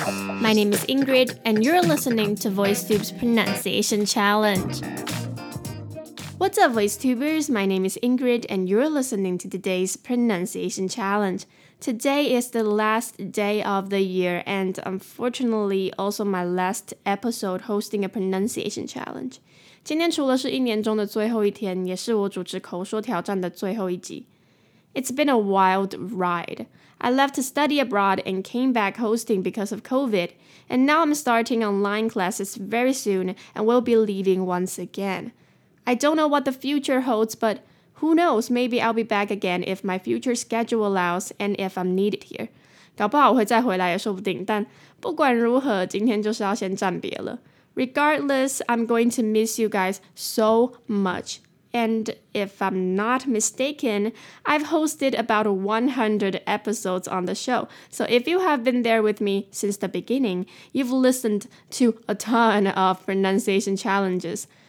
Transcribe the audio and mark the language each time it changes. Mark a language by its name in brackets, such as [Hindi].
[English] My name is Ingrid, and you're listening to VoiceTube's Pronunciation Challenge. What's up, VoiceTubers? My name is Ingrid, and you're listening to today's Pronunciation Challenge. Today is the last day of the year, and unfortunately, also my last episode hosting a Pronunciation Challenge. [Chinese] 今天除了是一年中的最后一天，也是我主持口说挑战的最后一集。 [English] It's been a wild ride. I left to study abroad and came back hosting because of COVID. And now I'm starting online classes very soon and will be leaving once again. I don't know what the future holds, but who knows, maybe I'll be back again if my future schedule allows and if I'm needed here. [Chinese] 搞不好我会再回来也说不定，但不管如何，今天就是要先暂别了。 [English] Regardless, I'm going to miss you guys so much. And if I'm not mistaken, I've hosted about 100 episodes on the show. So if you have been there with me since the beginning, you've listened to a ton of pronunciation challenges.